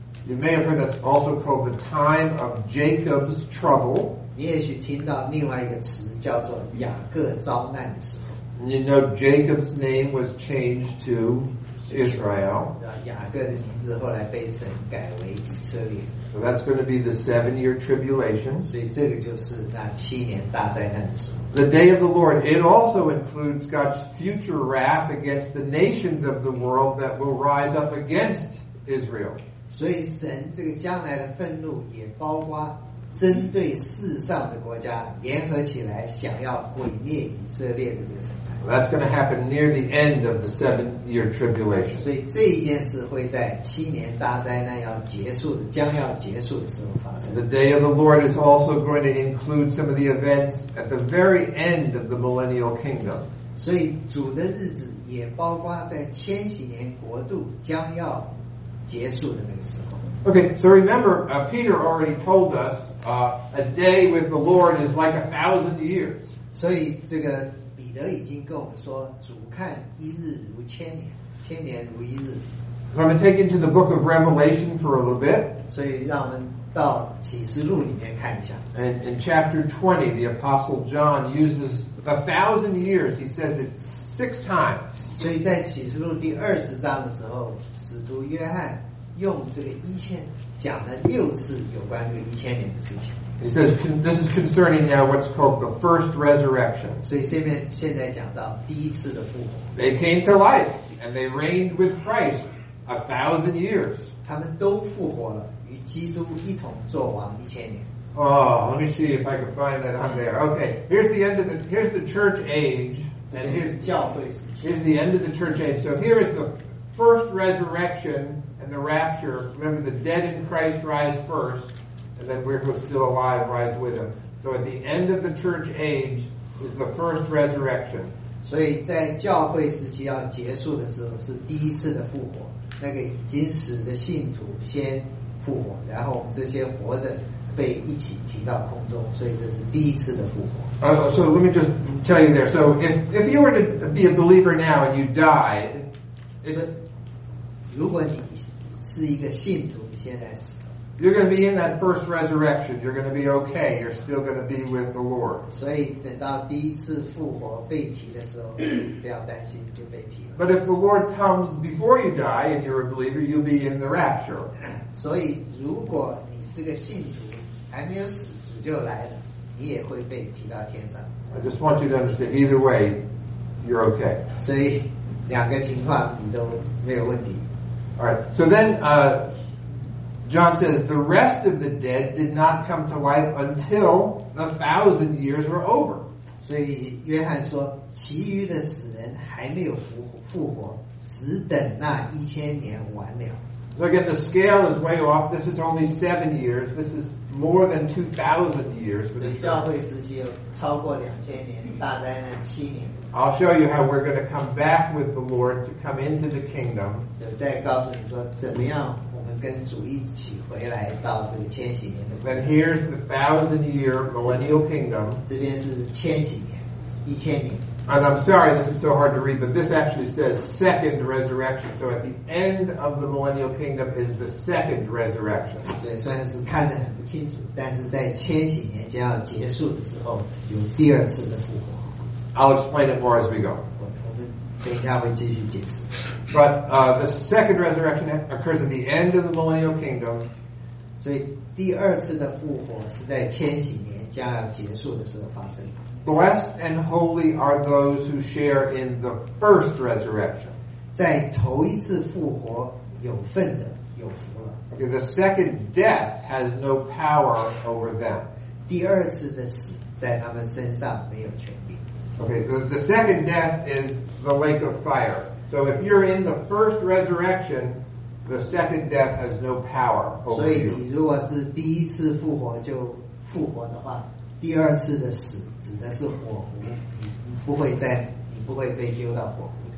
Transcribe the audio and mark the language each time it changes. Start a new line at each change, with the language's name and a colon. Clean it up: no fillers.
English: You may have heard that's also called the time of Jacob's trouble.
Chinese: 你也许听到另外一个词叫做雅各遭难的时候。
English: You know Jacob's name was changed to Israel.
Chinese: 雅各的名字后来被神改为以色列。
English: So that's going to be the 7-year tribulation.
Chinese: 所以这个就是那七年大灾难的时候。
English: The day of the Lord, it also includes God's future wrath against the nations of the world that will rise up against Israel.
Chinese: 所以神这个将来的愤怒也包括针对世上的国家联合起来想要毁灭以色列的这个审判。
English: Well, that's going to happen near the end of the 7-year tribulation.
Chinese: 所以这一件事会在七年大灾难要结束的将要结束的时候发生。
English: The day of the Lord is also going to include some of the events at the very end of the millennial kingdom.
Chinese: 所以主的日子也包括在千禧年国度将要结束的那个时候。
English: Okay, so remember, Peter already told us, a day with the Lord is like 1,000 years.
Chinese: 所以这个彼得已经跟我们说，主看一日如千年，千年如一日。
English: So I'm going to take you to the book of Revelation for a little bit.
Chinese: 所以让我们到启示录里面看一下。
English: And in chapter 20, the apostle John uses 1,000 years. He says it 6 times.
Chinese: 所以在启示录第二十章的时候。使徒约翰用这个一千讲了六次有关这个一千年的事情。
English: He says this is concerning now what's called the first resurrection.
Chinese: 所以这边现在讲到第一次的复活。
English: They came to life and they reigned with Christ 1,000 years.
Chinese: 他们都复活了，与基督一同作王一千年。
English: Oh, let me see if I can find that on there. Okay, here's the end of the here's the church age. And here's
Chinese: 教会时期。
English: Here's the end of the church age. So here is the first resurrection and the rapture. Remember, the dead in Christ rise first, and then we're still alive rise with him. So at the end of the church age is the first resurrection.
Chinese: 所以在教会时期要结束的时候是第一次的复活，那个已经死的信徒先复活，然后我们这些活着被一起提到空中，所以这是第一次的复活。
English: So let me just tell you there. So if you were to be a believer now and you died.
Chinese: 如果你是一个信徒，你现在死了。
English: You're going to be in that first resurrection. You're going to be okay. You're still going to be with the Lord.
Chinese: 所以等到第一次复活被提的时候，不要担心，就被提了。
English: But if the Lord comes before you die and you're a believer, you'll be in the rapture.
Chinese: 所以如果你是个信徒，还没有死，主就来了，你也会被提到天上。
English: I just want you to understand. Either way, you're okay.
Chinese: 所以。两个情况你都没有问题。
English: All right. So then, John says the rest of the dead did not come to life until 1,000 years were over.
Chinese: 所以约翰说，其余的死人还没有复活，只等那一千年完了。
English: So again, the scale is way off. This is only 7 years. This is more than 2,000 years.
Chinese: 所以教会时期超过2000年，大灾难7年。
English: I'll show you how we're going to come back with the Lord to come into the kingdom.
Chinese: 再告诉你说怎么样我们跟主一起回来到这个千禧年的。
English: Then here's the 1,000-year millennial kingdom.
Chinese: 这边是千禧年，一千年。
English: And I'm sorry this is so hard to read, but this actually says second resurrection. So at the end of the millennial kingdom is the second resurrection.
Chinese: 对，虽然是看得很不清楚，但是在千禧年将要结束的时候有第二次的复活。
English: I'll explain it more as we go.
Chinese: 我们等一下会继续解释。
English: But the second resurrection occurs at the end of the millennial kingdom.
Chinese: 所以第二次的复活是在千禧年将要结束的时候发生。
English: Blessed and holy are those who share in the first resurrection.
Chinese: 在头一次复活有份的有福了。
English: Okay, the second death has no power over them.
Chinese: 第二次的死在他们身上没有权。
English: Okay, the second death is the lake of fire. So if you're in the first resurrection, the second death has no power over you.
Chinese: 所以你如果是第一次复活就复活的话，第二次的死指的是火湖，你不会被丢到火湖。